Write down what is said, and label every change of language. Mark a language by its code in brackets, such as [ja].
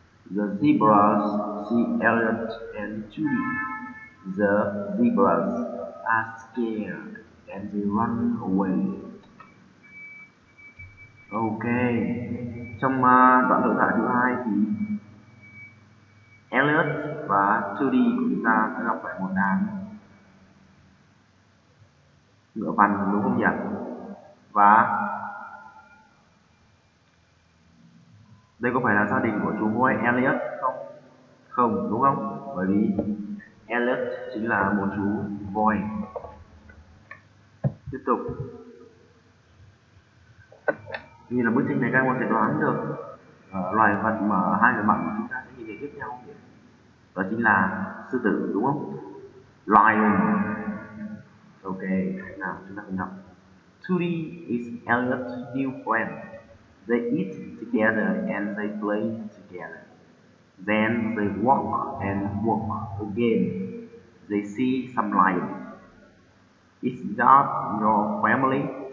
[en] The zebras see Elliot and Judy. The zebras are scared and they run away. [vi] Ok, trong đoạn đối thoại thứ hai thì Elliot và Judy của chúng ta đã gặp phải một đàn ngựa vằn đúng không nhỉ? Và đây có phải là gia đình của chú voi Elliot không? Không, đúng không? Bởi vì Elliot chính là một chú voi. Tiếp tục. Như là bức tranh này các em có thể đoán được loài vật mà hai người bạn của chúng ta sẽ nhìn thấy tiếp theo nhỉ? Đó chính là sư tử đúng không? Lion. Ok, nào chúng ta cùng đọc. [en] Judy is Elliot's new friend. They eat together and they play together. Then they walk and walk again. They see some lion. Is that your family?